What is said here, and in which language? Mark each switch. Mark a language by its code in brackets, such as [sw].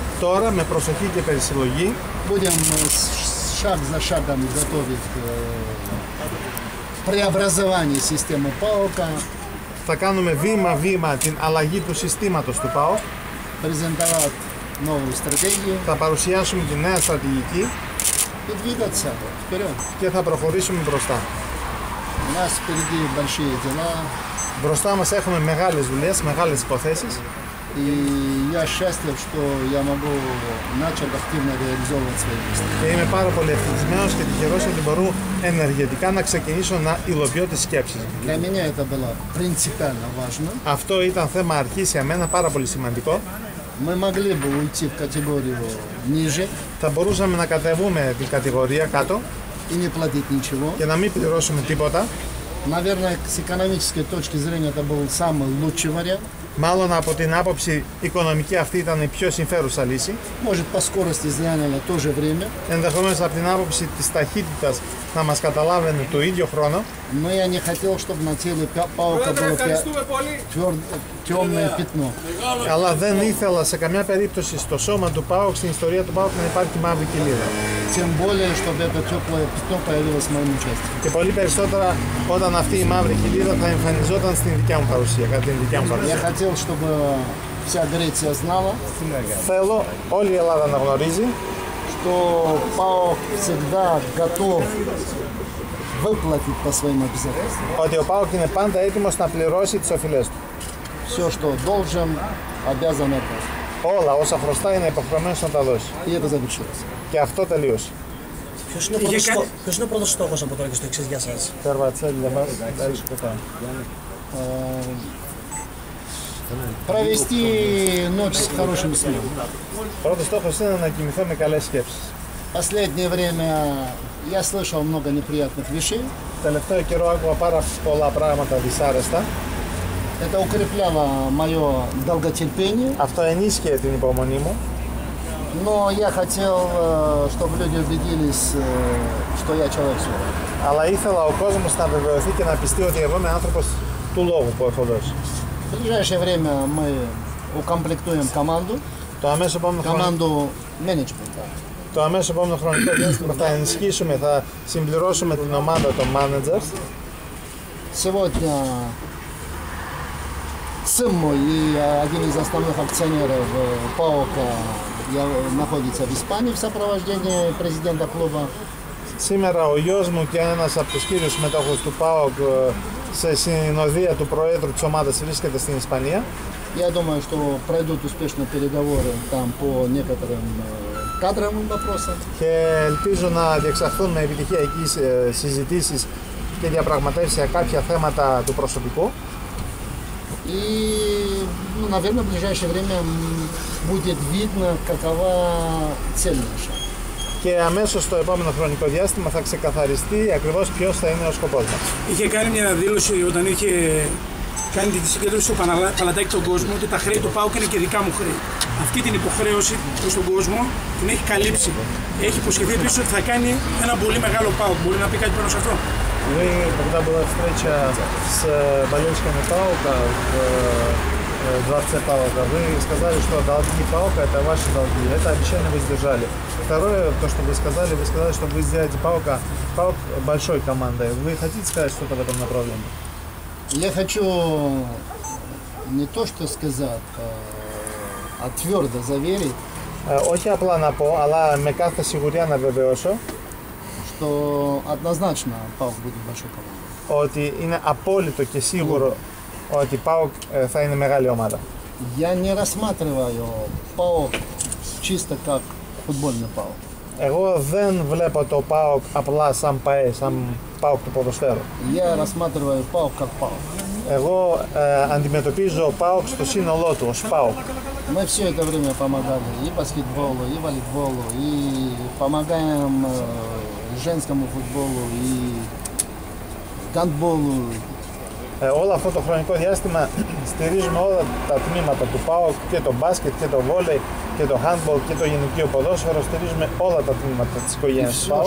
[el] Τώρα με προσοχή και περισυλλογή. [ru] Будем шаг за шагом готовить к преобразованию системы ПАОКа. [el] Θα κάνουμε βήμα-βήμα την αλλαγή του συστήματος του ΠΑΟΚ. [ru] Презентовать новую стратегию. [el] Θα παρουσιάσουμε τη νέα στρατηγική. [ru] И двигаться вперед. [el] Και θα προχωρήσουμε μπροστά. [ru] У нас впереди большие дела. [el] Μπροστά μας έχουμε μεγάλες δουλειές, μεγάλες υποθέσεις. [ru] И я счастлив, что я могу начать активно реализовывать свои мысли. [el] Είμαι πάρα πολύ ευτυχισμένος και τυχερός ότι μπορώ ενεργετικά να ξεκινήσω να υλοποιώ τις σκέψεις. [ru] Для меня это было принципиально важно. [el] Αυτό ήταν θέμα αρχής για μένα, πάρα πολύ σημαντικό. [ru] Мы могли бы уйти в категорию ниже. [el] Θα μπορούσαμε να κατεβούμε την κατηγορία κάτω. [ru] И не платить ничего. [el] Και να μην πληρώσουμε τίποτα. [ru] Наверное, с экономической точки зрения это был самый лучший вариант. [el] Μάλλον από την άποψη οικονομική αυτή ήταν η πιο συμφέρουσα λύση. [ru] Может по скорости сделано то же время. [el] Ενδεχομένως από την άποψη της ταχύτητας να μας καταλάβαινε το ίδιο χρόνο. [ru] Но я не хотел, чтобы на теле ПАОКа было темное пятно. [el] Αλλά δεν ήθελα σε καμιά περίπτωση στο σώμα του ΠΑΟΚ, στην ιστορία του ΠΑΟΚ να υπάρχει μαύρη κοιλίδα. [ru] Тем более, чтобы это теплое пятно появилось в моем участии. [el] Και πολύ περισσότερα όταν αυτή η μαύρη κοιλίδα θα εμφανιζόταν στην δικιά μου παρουσία, κατά την δικιά μου παρουσία. [ru] Я хотел, чтобы вся Греция знала. [el] Θέλω όλη η Ελλάδα να γνωρίζει, [ru] что ПАОК всегда готов выплатить по своим обязательствам. [el] Ότι ο ПАОК είναι πάντα έτοιμος να πληρώσει τις οφειλές του. [ru] Все, что должен, обязан это. [el] Όλα όσα χρωστά είναι υποχρεωμένος να τα δώσει. [ru] И это завершилось. [el] Και αυτό τελείωσε. Ποιος είναι ο πρώτος στόχος από τώρα και στο εξής για σας. Τερβατσέλη, για μας. Ευχαριστώ πολύ. [ru] Провести ночь с хорошим сном. [el] Πρώτος στόχος είναι να κοιμηθώ με καλές σκέψεις. [ru] Последнее время я слышал много неприятных вещей. [el] Τελευταίο καιρό άκουγα πάρα πολλά πράγματα δυσάρεστα. [ru] Это укрепляло мое долготерпение. [el] Αυτό ενίσχυε την υπομονή μου. [ru] Но я хотел, чтобы люди убедились, что я человек слова. [el] Αλλά ήθελα ο κόσμος να βεβαιωθεί και να πιστεί ότι εγώ είμαι άνθρωπος του λόγου που έχω δώσει. [ru] В ближайшее время мы укомплектуем команду. [el] То амесо помню [ru] команду менеджмента. [el] То амесо помню хронику. Θα ενισχύσουμε, θα συμπληρώσουμε την ομάδα των managers. [ru] Сегодня сын мой и один из основных акционеров ПАОКа находится в Испании в сопровождении президента клуба. [el] Σήμερα ο γιος μου και ένας από τους κύριους συμμετόχους του ΠΑΟΚ σε συνοδεία του Προέδρου της ομάδας βρίσκεται στην Ισπανία. [ru] Я думаю, что пройдут успешно переговоры там по некоторым кадровым вопросам. [el] Και ελπίζω να διεξαχθούν με επιτυχία εκεί συζητήσεις και διαπραγματεύσεις κάποια θέματα του προσωπικού. [ru] И, ну, наверное, в ближайшее время будет видно, какова цель наша. [el] Και αμέσως στο επόμενο χρονικό διάστημα θα ξεκαθαριστεί ακριβώς ποιος θα είναι ο σκοπός μας. Είχε κάνει μια δήλωση όταν είχε κάνει την συγκέντρωση στο Παναλατάκι τον κόσμο ότι τα χρέη του ΠΑΟΚ είναι και δικά μου χρέη. Αυτή την υποχρέωση προς τον κόσμο την έχει καλύψει. Έχει υποσχεθεί επίσης ότι θα κάνει ένα πολύ μεγάλο ΠΑΟΚ. Μπορεί να πει κάτι πάνω σε αυτό. [ru] Когда была встреча с болельщиками ПАОКа в дворце ПАОКа, вы сказали, что долги ПАОКа – это ваши долги, это обещание вы сдержали. Второе, то, что вы сказали, что вы сделаете ПАОКа ПАОК большой командой. Вы хотите сказать что-то в этом направлении? Я хочу не то что сказать, а твердо заверить. [el] Όχι απλά να πω, αλλά με κάθε σιγουριά να βεβαιώσω. [ru] Что однозначно ПАОК будет большой командой. [el] Ότι είναι απόλυτο και σίγουρο ότι ПАОК θα είναι μεγάλη ομάδα. [ru] Я не рассматриваю ПАОК чисто как футбольный ПАОК. [el] Εγώ δεν βλέπω το ПАОК απλά σαν ΠΑΕ, σαν ПАОК του ποδοσφαίρου. [ru] Я рассматриваю ПАОК как ПАОК. [el] Εγώ αντιμετωπίζω ПАОК στο σύνολό του, ως ПАОК. [ru] Мы все это время помогали и баскетболу, и волейболу, и помогаем женскому футболу и гандболу. [el] Όλο αυτό το χρονικό διάστημα στηρίζουμε όλα τα τμήματα του ΠΑΟΚ, και το μπάσκετ και το βόλεϊ και το handball και το γενικό ποδόσφαιρο, στηρίζουμε όλα τα τμήματα της οικογένειας ΠΑΟΚ.